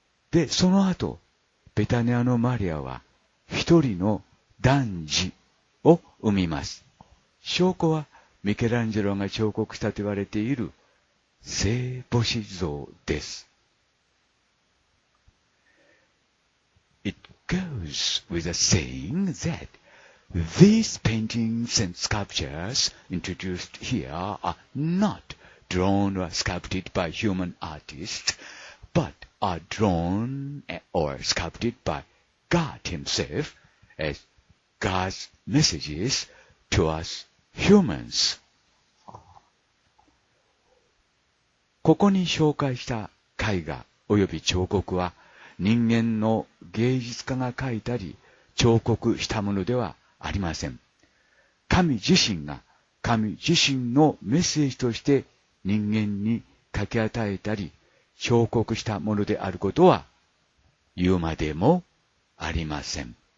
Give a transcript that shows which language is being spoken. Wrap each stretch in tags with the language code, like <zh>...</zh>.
<ja>で、その後、ベタニアのマリアは一人の男児を産みます。証拠はミケランジェロが彫刻したと言われている聖母子像です。</ja> <en>It goes with a saying that these paintings and sculptures introduced here are notDrawn or sculpted by human artists, but are drawn or sculpted by God Himself as God's messages to us humans.</en> <ja>ここに紹介した絵画及び彫刻は人間の芸術家が描いたり彫刻したものではありません。神自身のメッセージとして人間に書き与えたり彫刻したものであることは言うまでもありません。</ja>